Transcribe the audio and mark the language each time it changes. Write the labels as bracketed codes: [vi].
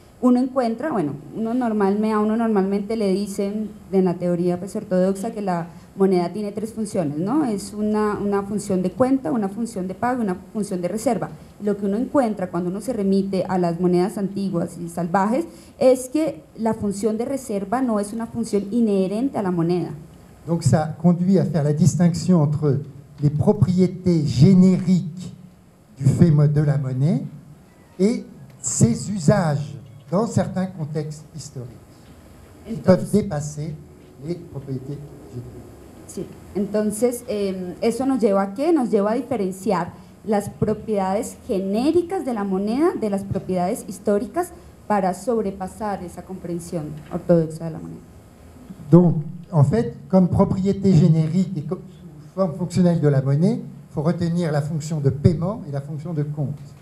[es] uno encuentra, bueno, uno normal, a uno normalmente le dicen en la teoría pues ortodoxa que la moneda tiene tres funciones, ¿no? Es una función de cuenta, una función de pago, una función de reserva. Lo que uno encuentra cuando uno se remite a las monedas antiguas y salvajes es que la función de reserva no es una función inherente a la moneda. [fr] Donc ça conduit à faire la distinction entre les propriétés génériques du fait de la monnaie et ses usages dans certains contextes historiques qui peuvent dépasser les propriétés génériques. [es] Sí, entonces eso nos lleva a qué? Nos lleva a diferenciar las propiedades genéricas de la moneda de las propiedades históricas para sobrepasar esa comprensión ortodoxa de la moneda. [fr] Donc, en fait, comme propriété générique et sous forme fonctionnelle de la monnaie, il faut retenir la fonction de paiement et la fonction de compte.